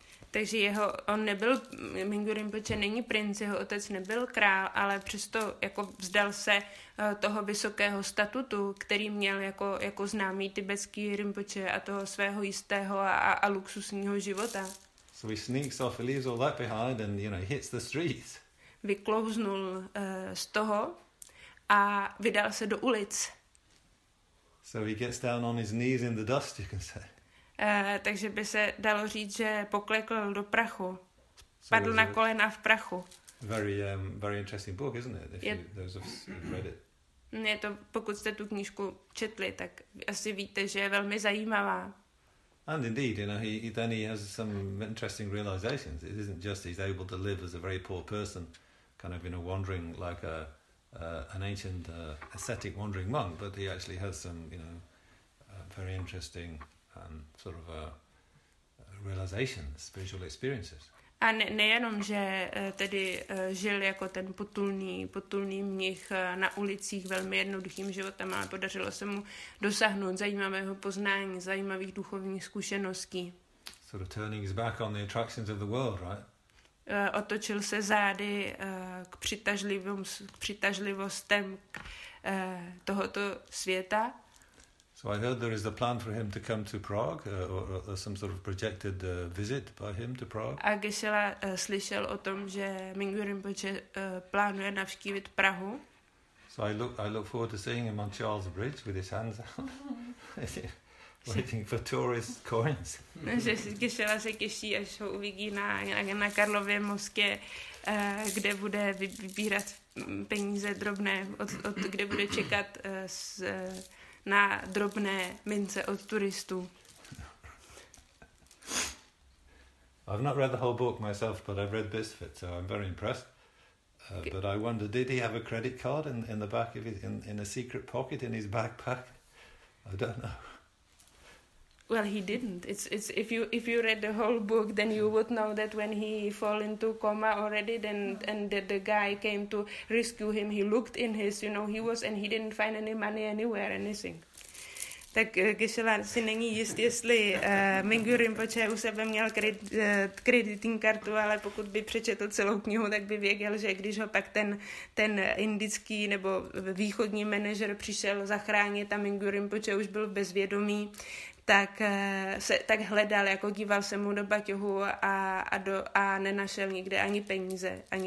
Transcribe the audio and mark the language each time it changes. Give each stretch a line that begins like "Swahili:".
Czech: Takže Mingyur Rinpoche není princ, jeho otec nebyl král, ale přesto jako vzdal se toho vysokého statutu, který měl jako známý tibetský Rinpoche a toho svého jistého a luxusního života.
English: So he sneaks off, he leaves all that behind and, you know, he hits the streets.
Czech: Vyklouznul z toho a vydal se do ulic.
English: So he gets down on his knees in the dust, you can say.
Czech: Takže by se dalo říct, že poklekl do prachu. Spadl na kolena v prachu.
English: Very interesting book, isn't it? Those of you have read it.
Czech: Je to, pokud jste tu knížku četli, tak asi víte, že je velmi zajímavá.
English: And indeed, you know, he has some interesting realizations. It isn't just he's able to live as a very poor person, kind of in a wandering like an ancient ascetic wandering monk, but he actually has some, you know, very interesting and sort of a realization, spiritual experiences.
Czech: A nejenom, že tedy žil jako ten potulný mnich na ulicích velmi jednoduchým životem, ale podařilo se mu dosáhnout zajímavého poznání, zajímavých duchovních zkušeností.
English: Sort of turning his back on the attractions of the world, right?
Czech: Otočil se zády k přitažlivostem tohoto světa.
English: So I heard there is a plan for him to come to Prague, or some sort of projected visit by him to Prague.
Czech: A Geshe-la slyšel o tom, že Mingyur Rinpoche plánuje navštívit Prahu.
English: So I look forward to seeing him on Charles Bridge with his hands out, waiting for tourist coins.
Czech: Geshe-la se těší, až ho uvidí na Karlově mostě, kde bude vybírat peníze drobné, od kde bude čekat na drobné mince od turistů.
English: I've not read the whole book myself, but I've read bits of it, so I'm very impressed. But I wonder, did he have a credit card in the back of his in a secret pocket in his backpack? I don't know. Well, he didn't. It's if you read the whole book, then you would know that when he fall into coma already, then and the guy came to rescue him. He looked in his, you know, and he didn't find any money anywhere, anything.
Czech: Tak Geshe-la si není jist, jestli Mingyur Rinpoche u sebe měl kreditní kartu, ale pokud by přečetl celou knihu, tak by věděl, že když ho pak ten indický nebo východní manažer přišel zachránit a Mingyur Rinpoche už byl bezvědomý, tak hledal, jako díval se mu do baťohu a nenašel nikde ani peníze.